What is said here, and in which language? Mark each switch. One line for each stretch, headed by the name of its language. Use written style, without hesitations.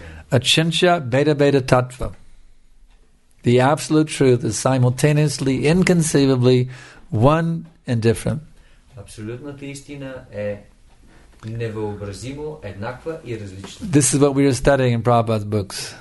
English: Achintya Beda Beda Tattva. The absolute truth is simultaneously, inconceivably, one and different.
Bulgarian: Absolutната истина е невъобразимо еднаква и различна.
English: This is what we are studying in Prabhupada's books.